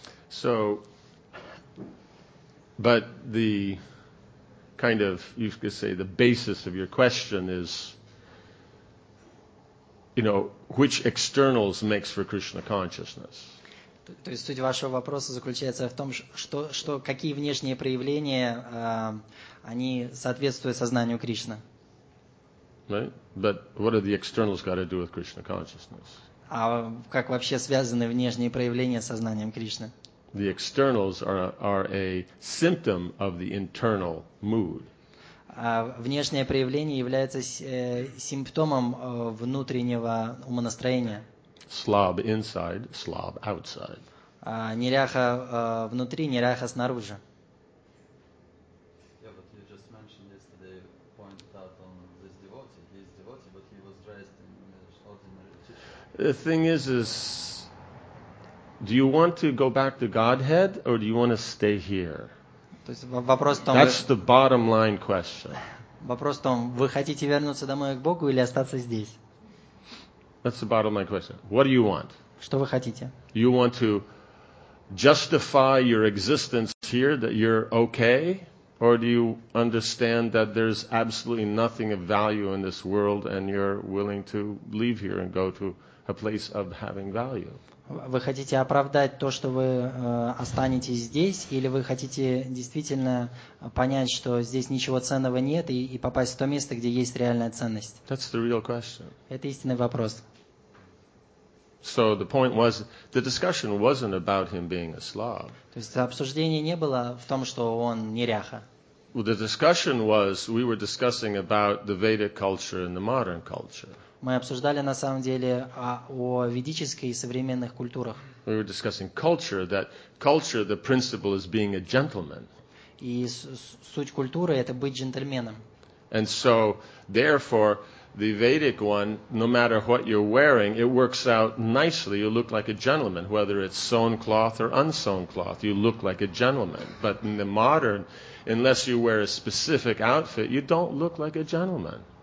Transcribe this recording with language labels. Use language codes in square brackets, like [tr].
[en] So, but the kind of, you could say, the basis of your question is, you know, which externals makes for Krishna consciousness? [ru] То есть суть вашего вопроса заключается в том, что какие внешние проявления, они соответствуют сознанию Кришны? [en] Right? But what are the externals got to do with Krishna consciousness? [ru] А как вообще связаны внешние проявления с сознанием Кришны? [en] The externals are a symptom of the internal mood. [ru] Внешнее проявление является симптомом внутреннего умонастроения. [en] Slob inside, slob outside. [ru] Неряха внутри, неряха снаружи. [en] Yeah, but you just mentioned yesterday, pointed out on this devotee. He's devotee, but he was dressed in ordinary t-shirt. The thing is, do you want to go back to Godhead or do you want to stay here? That's the bottom line question. [ru] Вопрос в том, вы хотите вернуться домой к Богу или остаться здесь? [en] That's the bottom line question. What do you want? [ru] Что вы хотите? [en] You want to justify your existence here, that you're okay? Or do you understand that there's absolutely nothing of value in this world and you're willing to leave here and go to a place of having value? [ru] Вы хотите оправдать то, что вы останетесь здесь, или вы хотите действительно понять, что здесь ничего ценного нет, и попасть в то место, где есть реальная ценность? [en] That's the real question. [ru] Это истинный вопрос. [en] So the point was, the discussion wasn't about him being a slav. [ru] То есть обсуждение не было в том, что он неряха. [en] Well, the discussion was, we were discussing about the Vedic culture and the modern culture. [ru] Мы обсуждали на самом деле о ведической и современных культурах. [en] We were discussing culture, that culture, the principle is being a gentleman. [ru] И суть культуры — это быть джентльменом. [en] And so, therefore, the Vedic one, no matter what you're wearing, it works out nicely. You look like a gentleman, whether it's sewn cloth or unsewn cloth. You look like a gentleman. But in the modern, unless you wear a specific outfit, you don't look like a gentleman.